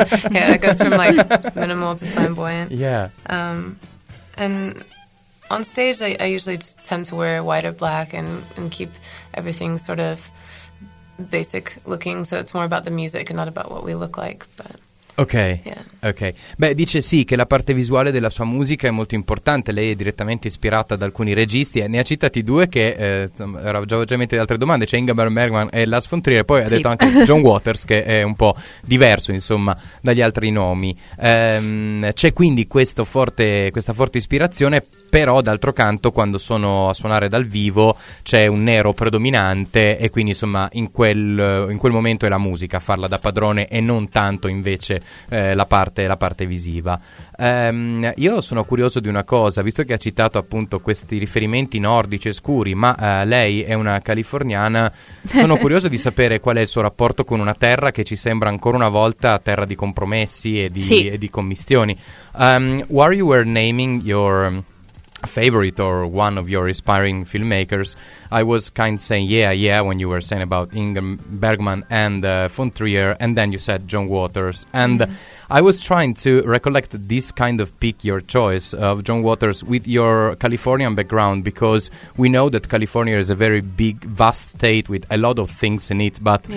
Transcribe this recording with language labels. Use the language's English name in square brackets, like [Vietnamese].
[English] Yeah, it goes from like minimal to flamboyant. Yeah. And on stage I usually just tend to wear white or black and keep everything sort of basic looking, so it's more about the music and not about what we look like, but... Ok, yeah. Ok. [Italian] Beh, dice sì che la parte visuale della sua musica è molto importante. Lei è direttamente ispirata ad alcuni registi e ne ha citati due che era già mente di altre domande. C'è Ingmar Bergman e Lars von Trier. Poi sì. Ha detto anche John Waters, che è un po' diverso, insomma, dagli altri nomi. C'è quindi questa forte ispirazione. Però, d'altro canto, quando sono a suonare dal vivo c'è un nero predominante e quindi, insomma, in quel momento è la musica a farla da padrone e non tanto invece la parte visiva. Io sono curioso di una cosa, visto che ha citato appunto questi riferimenti nordici e scuri, ma lei è una californiana, sono curioso di sapere qual è il suo rapporto con una terra che ci sembra ancora una volta terra di compromessi e di, sì. E di commistioni. [English] While you were naming your favorite or one of your aspiring filmmakers, I was kind of saying yeah when you were saying about Ingmar Bergman and von Trier, and then you said John Waters, and I was trying to recollect this kind of pick your choice of John Waters with your Californian background, because we know that California is a very big, vast state with a lot of things in it, but